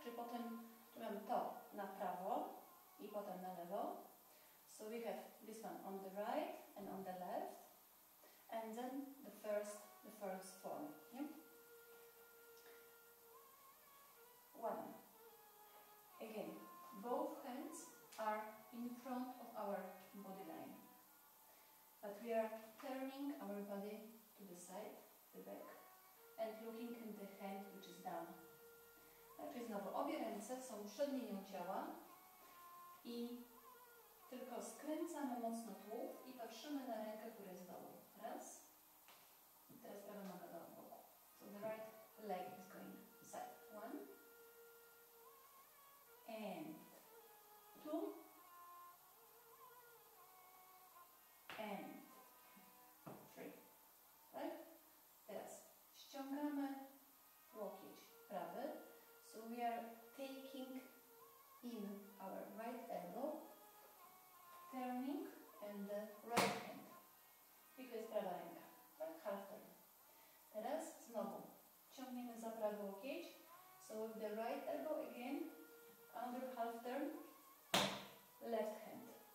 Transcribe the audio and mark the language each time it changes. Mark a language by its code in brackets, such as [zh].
[pl] Czyli potem tu mamy to na prawo i potem na lewo. [en] So we have this one on the right and on the left, and then the first form. Yeah? One. Again, both hands are in front of our body line, but we are turning our body to the side, the back, and looking in the hand which is down. [pl] Tak, czyli znowu obie ręce są przed linią ciała i tylko skręcamy mocno tułów i patrzymy na rękę, która jest dołu. Raz. I teraz prawa noga do boku. [en] So the right leg is going side. One. And two. And three. Tak? [pl] Teraz ściągamy łokieć prawy. [en] So we are taking in our right elbow. Turning and the right hand. Because [pl] prawa ręka. [en] Tak? Half turn. [pl] Teraz znowu ciągniemy za prawy łokieć. [en] So with the right elbow again. Under half turn. Left hand.